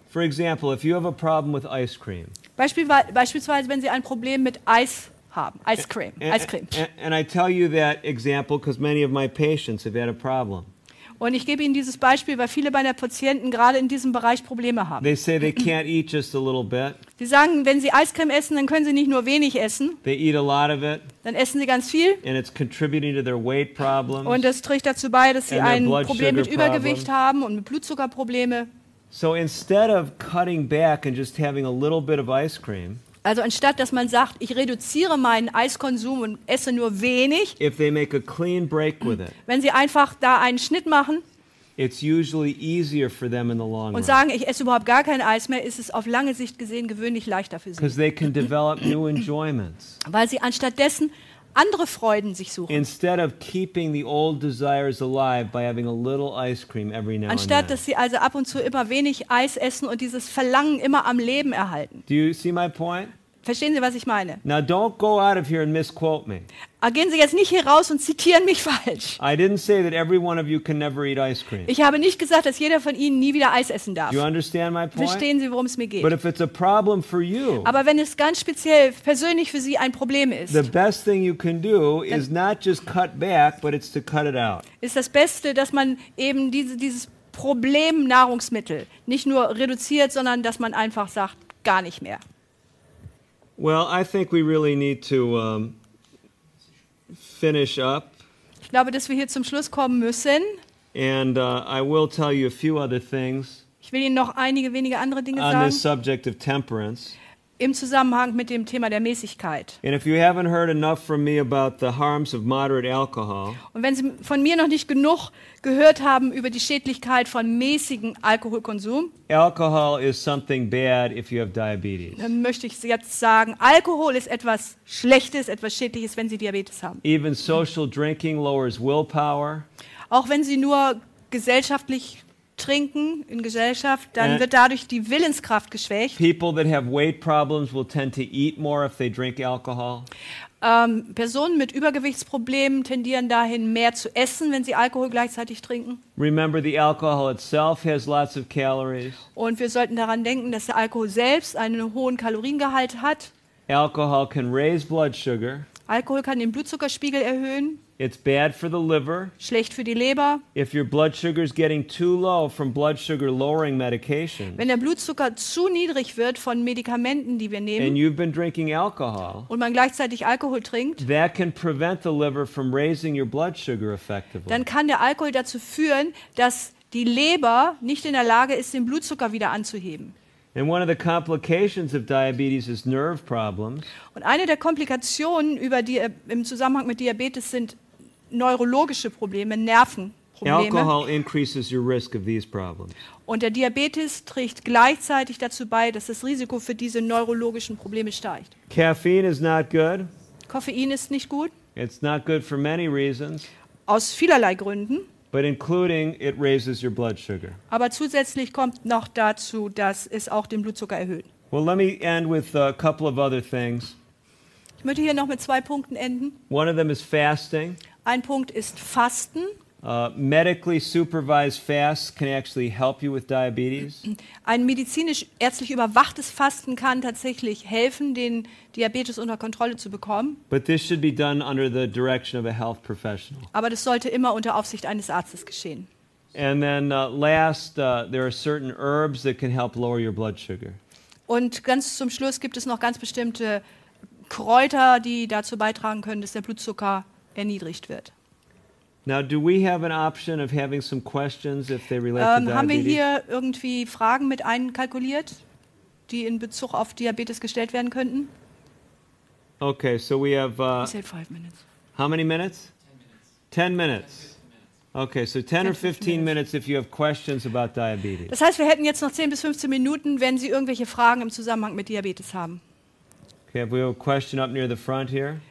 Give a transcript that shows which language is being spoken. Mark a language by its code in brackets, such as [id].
[en] For example, if you have a problem with ice cream. [de] Beispielsweise, wenn Sie ein Problem mit Eis haben, Eiscreme. [en] And I tell you that example because many of my patients have had a problem. [de] Und ich gebe Ihnen dieses Beispiel, weil viele meiner Patienten gerade in diesem Bereich Probleme haben. [en] They say they can't eat just a little bit. [de] Sie sagen, wenn sie Eiscreme essen, dann können sie nicht nur wenig essen. [en] They eat a lot of it. [de] Dann essen sie ganz viel. [en] And it's contributing to their weight problems. [de] Und das trägt dazu bei, dass sie ein Problem mit Übergewicht haben und mit Blutzuckerprobleme. [en] So instead of cutting back and just having a little bit of ice cream. [de] Also anstatt, dass man sagt, ich reduziere meinen Eiskonsum und esse nur wenig, [en] if they make a clean break with it, [de] wenn sie einfach da einen Schnitt machen, [en] it's usually easier for them in the long run. [de] Und sagen, ich esse überhaupt gar kein Eis mehr, ist es auf lange Sicht gesehen gewöhnlich leichter für sie. [en] 'Cause they can develop new enjoyments. [de] Weil sie anstattdessen andere Freuden sich suchen. [en] Instead of keeping the old desires alive by having a little ice cream every now and then. [de] Anstatt dass sie also ab und zu immer wenig Eis essen und dieses Verlangen immer am Leben erhalten. [en] Do you see my point? [de] Verstehen Sie, was ich meine? [en] Now don't go out of here and misquote me. [de] Gehen Sie jetzt nicht hier raus und zitieren mich falsch. [en] I didn't say that every one of you can never eat ice cream. [de] Ich habe nicht gesagt, dass jeder von Ihnen nie wieder Eis essen darf. [en] You understand my point? [de] Verstehen Sie, worum es mir geht? [en] But if it's a problem for you, [de] aber wenn es ganz speziell persönlich für Sie ein Problem ist, [en] the best thing you can do is not just cut back, but it's to cut it out. [de] Ist das Beste, dass man eben dieses Problem Nahrungsmittel nicht nur reduziert, sondern dass man einfach sagt, gar nicht mehr. [en] Well, I think we really need to finish up. [de] Ich glaube, dass wir hier zum Schluss kommen müssen. [en] And I will tell you a few other things. [de] Ich will Ihnen noch einige wenige andere Dinge [en] on [de] sagen. [en] On this subject of temperance. [de] Im Zusammenhang mit dem Thema der Mäßigkeit. [en] And if you haven't heard enough from me about the harms of moderate alcohol. [de] Und wenn Sie von mir noch nicht genug gehört haben über die Schädlichkeit von mäßigem Alkoholkonsum. [en] Alcohol is something bad if you have diabetes. [de] Dann möchte ich jetzt sagen, Alkohol ist etwas Schlechtes, etwas Schädliches, wenn Sie Diabetes haben. [en] Even social drinking lowers willpower. [de] Auch wenn Sie nur gesellschaftlich trinken in Gesellschaft, dann wird dadurch die Willenskraft geschwächt. [en] People that have weight problems will tend to eat more if they drink alcohol. [de] Personen mit Übergewichtsproblemen tendieren dahin, mehr zu essen, wenn sie Alkohol gleichzeitig trinken. [en] Remember, the alcohol itself has lots of calories. [de] Und wir sollten daran denken, dass der Alkohol selbst einen hohen Kaloriengehalt hat. [en] Alcohol can raise blood sugar. [de] Alkohol kann den Blutzuckerspiegel erhöhen. [en] It's bad for the liver. [de] Schlecht für die Leber. [en] If your blood sugar is getting too low from blood sugar lowering medications. [de] Wenn der Blutzucker zu niedrig wird von Medikamenten, die wir nehmen. [en] And you've been drinking alcohol. [de] Und man gleichzeitig Alkohol trinkt. [en] That can prevent the liver from raising your blood sugar effectively. [de] Dann kann der Alkohol dazu führen, dass die Leber nicht in der Lage ist, den Blutzucker wieder anzuheben. [en] And one of the complications of diabetes is nerve problems. [de] Und eine der Komplikationen über die im Zusammenhang mit Diabetes sind neurologische Probleme, Nervenprobleme. [en] Alcohol increases your risk of these problems. [de] Und der Diabetes trägt gleichzeitig dazu bei, dass das Risiko für diese neurologischen Probleme steigt. [en] Caffeine is not good. [de] Koffein ist nicht gut. [en] It's not good for many reasons. [de] Aus vielerlei Gründen. [en] But including it raises your blood sugar. [de] Aber zusätzlich kommt noch dazu, dass es auch den Blutzucker erhöht. [en] Well, let me end with a couple of other things. [de] Ich möchte hier noch mit zwei Punkten enden. [en] One of them is fasting. [de] Ein Punkt ist Fasten. [en] Medically supervised fasts can actually help you with diabetes. [de] Ein medizinisch ärztlich überwachtes Fasten kann tatsächlich helfen, den Diabetes unter Kontrolle zu bekommen. [en] But this should be done under the direction of a health professional. [de] Aber das sollte immer unter Aufsicht eines Arztes geschehen. [en] And then there are certain herbs that can help lower your blood sugar. [de] Und ganz zum Schluss gibt es noch ganz bestimmte Kräuter, die dazu beitragen können, dass der Blutzucker erniedrigt wird. [en] Now, do we have an option of having some questions if they relate to diabetes? [de] Haben wir hier irgendwie Fragen mit einkalkuliert, die in Bezug auf Diabetes gestellt werden könnten? [en] Okay, so we have. I said 5 minutes. How many minutes? 10 minutes. 10 minutes. Okay, so 10 or 15 minutes if you have questions about diabetes. [de] Das heißt, wir hätten jetzt noch 10 bis 15 Minuten, wenn Sie irgendwelche Fragen im Zusammenhang mit Diabetes haben. [en] Okay, have we have a question up near the front here.